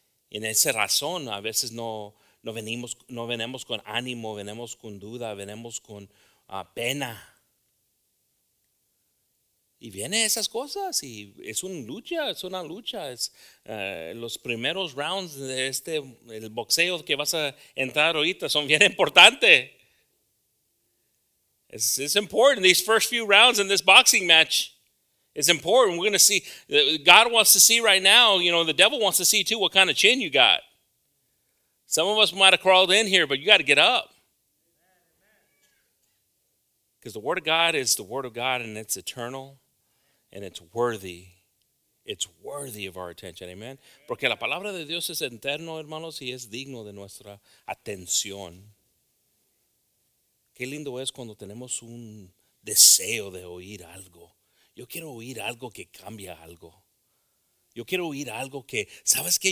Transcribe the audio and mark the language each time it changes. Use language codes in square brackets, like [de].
[es] Y en esa razón, a veces no venimos con ánimo, venimos con duda, venimos con pena. Y vienen esas cosas y es una lucha, es una lucha. Es los primeros rounds de este, el boxeo que vas a entrar ahorita son bien importantes. [en] It's important, these first few rounds in this boxing match. It's important. We're going to see. God wants to see right now, you know, the devil wants to see too what kind of chin you got. Some of us might have crawled in here, but you got to get up. Because the word of God is the word of God and it's eternal and it's worthy. It's worthy of our attention. Amen. [es] Porque la palabra de Dios es eterno, hermanos, y es digno de nuestra atención. Qué lindo es cuando tenemos un deseo de oír algo. Yo quiero oír algo que cambia algo. Yo quiero oír algo que, ¿sabes qué?